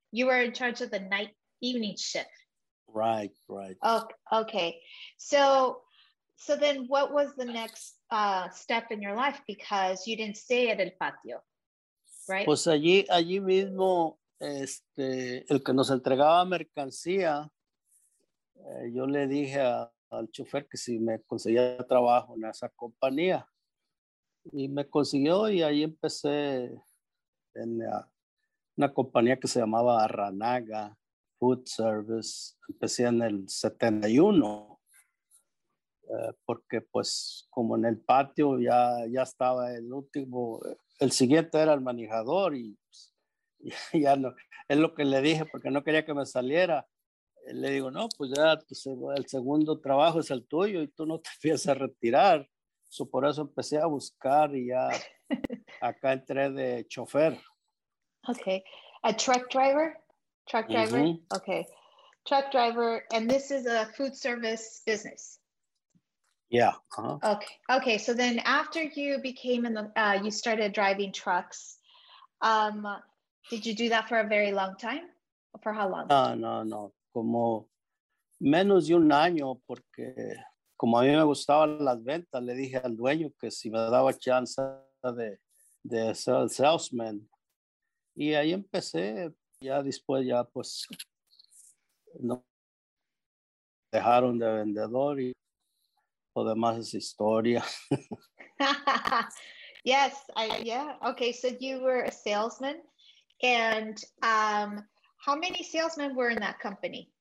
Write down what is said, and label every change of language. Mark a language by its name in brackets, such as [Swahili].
[English] You were in charge of the night evening shift. Right, right. Okay. So then, what was the next step in your life? Because you didn't stay at El Patio, right? [Spanish] Pues allí mismo, el que nos entregaba mercancía, yo le dije al chofer que si me conseguía trabajo en esa compañía, y me consiguió y ahí empecé. En una compañía que se llamaba Arranaga Food Service. Empecé en el 71, porque pues como en el patio ya estaba el último, el siguiente era el manejador y pues, ya no, es lo que le dije porque no quería que me saliera. Le digo, no, pues ya pues, el segundo trabajo es el tuyo y tú no te piensas retirar. So, por eso empecé a buscar y ya acá entré de chofer. [English] Okay, a truck driver? Truck driver? Mm-hmm. Okay. Truck driver, and this is a food service business? Yeah. Uh-huh. Okay, so then after you became in the, you started driving trucks, did you do that for a very long time? For how long? No. [Spanish] Como menos de un año, porque como a mí me gustaban las ventas, le dije al dueño que si me daba chance de ser el salesman. Y ahí empecé, ya después ya pues no dejaron de vendedor y lo demás es historia. [English] Yes, okay, so you were a salesman, and how many salesmen were in that company?